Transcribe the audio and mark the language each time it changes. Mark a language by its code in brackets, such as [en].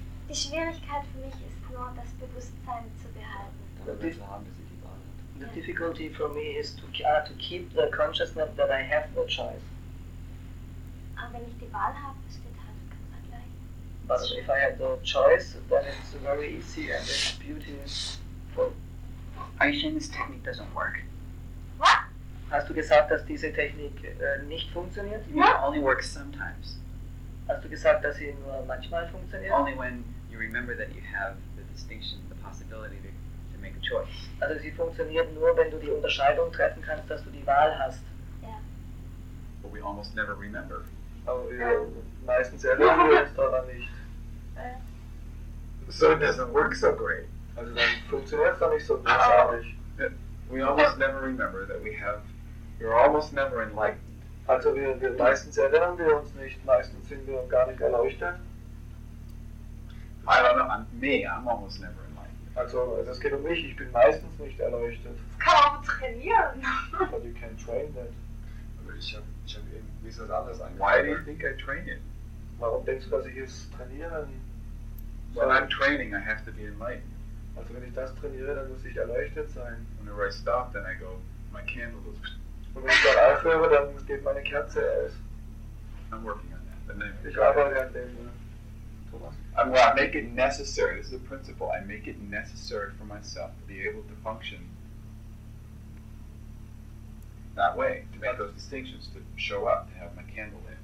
[de] Die Schwierigkeit für mich ist nur, das Bewusstsein zu behalten. [en] The difficulty for me is to keep the consciousness that I have the choice. [de] Aber wenn ich die Wahl habe, steht halt ganz gleich. [en] But if I have the choice, then it's very easy and it's beautiful. Aishin, this technique doesn't work. What? [de] Hast du gesagt, dass diese Technik nicht funktioniert? [en] No. It only works sometimes. [de] Hast du gesagt, dass sie nur manchmal funktioniert? [en] Only when you remember that you have the distinction, the possibility to make a choice. [de] Also sie funktioniert nur, wenn du die Unterscheidung treffen kannst, dass du die Wahl hast. [en] Yeah. But we almost never remember. [de] Meistens erinnern wir uns daran nicht. [en] So it doesn't work so great. [de] Also dann funktioniert es nicht so großartig. [en] We almost never remember that we have, we're almost never enlightened. [de] Also wir meistens erinnern wir uns nicht, meistens sind wir gar nicht erleuchtet. [en] I don't know, I'm almost never enlightened. [de] Also es geht um mich, ich bin meistens nicht erleuchtet. Das kann man trainieren. [en] But you can train that. [de] Aber ich hab eben, wie ist das anders angefangen? [en] Why do you think I train it? [de] Warum denkst du, dass ich es trainiere? [en] When I'm training, I have to be enlightened. [de] Also wenn ich das trainiere, dann muss ich erleuchtet sein. [en] Whenever I stop, then I go, my candle goes. [de] Und wenn ich dort aufhöre, dann geht meine Kerze aus. [en] I'm working on that. [de] Ich arbeite an dem, Thomas. [en] I'm, well, I make it necessary. This is the principle. I make it necessary for myself to be able to function that way, to make those distinctions, to show up, to have my candle lit.